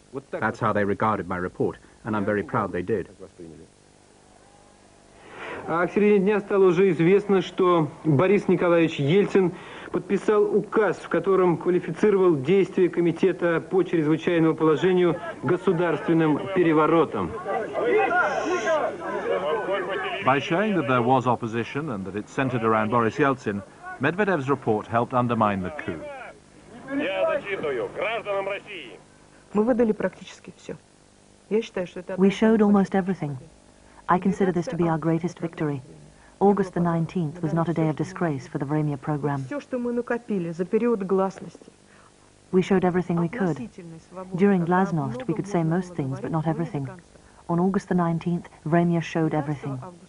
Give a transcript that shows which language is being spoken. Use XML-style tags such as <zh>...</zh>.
<en>That's how they regarded my report, and I'm very proud they did.</en> <ru>А к середине дня стало уже известно, что Борис Николаевич Ельцин подписал указ, в котором квалифицировал действия комитета по чрезвычайному положению государственным переворотом.</ru> <en>By showing that there was opposition and that it centered around Boris Yeltsin, Medvedev's report helped undermine the coup.</en> <ru>Я зачитываю гражданам России. Мы выдали практически все. Я считаю, что это...</ru> <en>We showed almost everything. I consider this to be our greatest victory. August the 19th was not a day of disgrace for the Vremya program. We showed everything we could. During Glasnost, we could say most things, but not everything. On August the 19th, Vremya showed everything.</en>